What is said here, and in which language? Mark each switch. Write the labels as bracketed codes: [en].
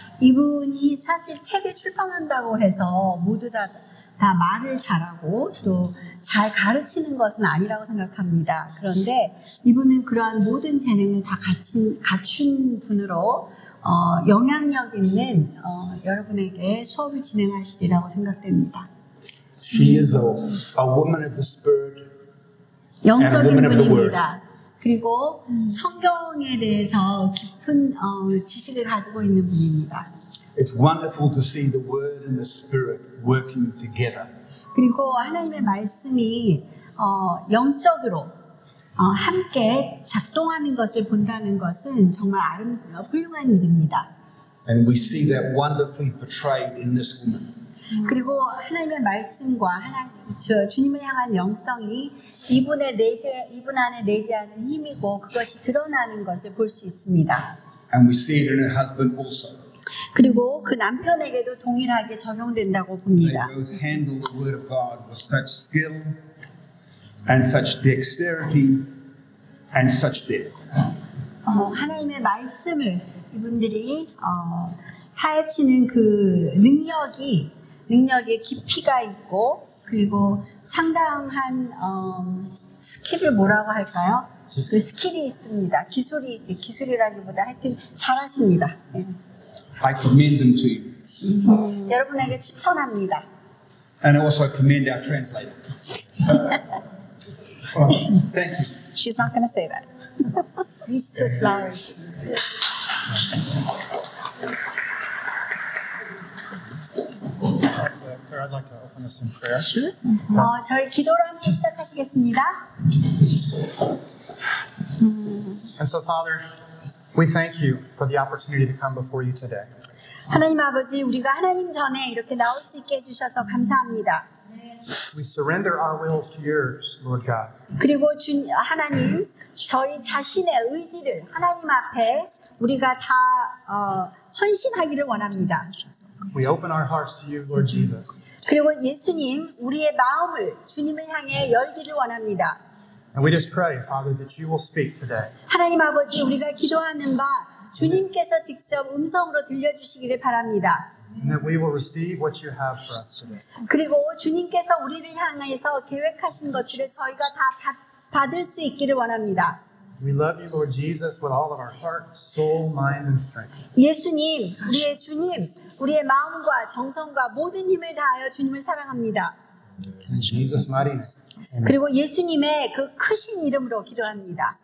[ko] 이분이 사실 책을 출판한다고 해서 모두 다 말을 잘하고 또 잘 가르치는 것은 아니라고 생각합니다. 그런데 이분은 그러한 모든 재능을 다 갖춘 분으로 영향력 있는 여러분에게 수업을 진행하시리라고 생각됩니다. [en] She is a woman of the spirit. [ko] 영적인 분입니다. 그리고 성경에 대해서 깊은 지식을 가지고 있는 분입니다. [en] It's wonderful to see the word and the spirit working together. [ko] 그리고 하나님의 말씀이 영적으로 함께 작동하는 것을 본다는 것은 정말 아름답고 훌륭한 일입니다. [en] And we see that wonderfully portrayed in this woman. [ko] 그리고 하나님의 말씀과 주님을 향한 영성이 이분 안에 내재하는 힘이고 그것이 드러나는 것을 볼 수 있습니다. [en] And we see it in her husband also. [ko] 그리고 그 남편에게도 동일하게 적용된다고 봅니다. [en] They both handle the word of God with such skill and such dexterity and such depth. [ko] 하나님의 말씀을 이분들이 파헤치는 그 능력의 깊이가 있고 그리고 상당한 스킬을 뭐라고 할까요? 그 스킬이 있습니다. 기술이라기보다 하여튼 잘하십니다. [en] I commend them to you. [ko] 여러분에게 추천합니다. [en] And I also commend our translator. Thank you. She's not going to say that. These two flowers. I'd like to open us in prayer. Sure. Okay. [ko] 저희 기도로 함께 시작하시겠습니다. [en] And so, Father, we thank you for the opportunity to come before you today. [ko] 하나님 아버지, 우리가 하나님 전에 이렇게 나올 수 있게 해주셔서 감사합니다. [en] We surrender our wills to yours, Lord God. [ko] 그리고 하나님, 저희 자신의 의지를 하나님 앞에 우리가 다 헌신하기를 원합니다. [en] We open our hearts to you, Lord Jesus. [ko] 그리고 예수님, 우리의 마음을 주님을 향해 열기를 원합니다. [en] And we just pray, Father, that you will speak today. [ko] 하나님 아버지, 우리가 기도하는 바 주님께서 직접 음성으로 들려주시기를 바랍니다. [en] And that we will receive what you have for us. [ko] 그리고 주님께서 우리를 향해서 계획하신 것들을 저희가 다 받을 수 있기를 원합니다. [en] We love you, Lord Jesus, with all of our heart, soul, mind, and strength. [ko] 예수님, 우리의 주님, 우리의 마음과 정성과 모든 힘을 다하여 주님을 사랑합니다. [en] In Jesus' mighty name. [ko] 그리고 예수님의 그 크신 이름으로 기도합니다.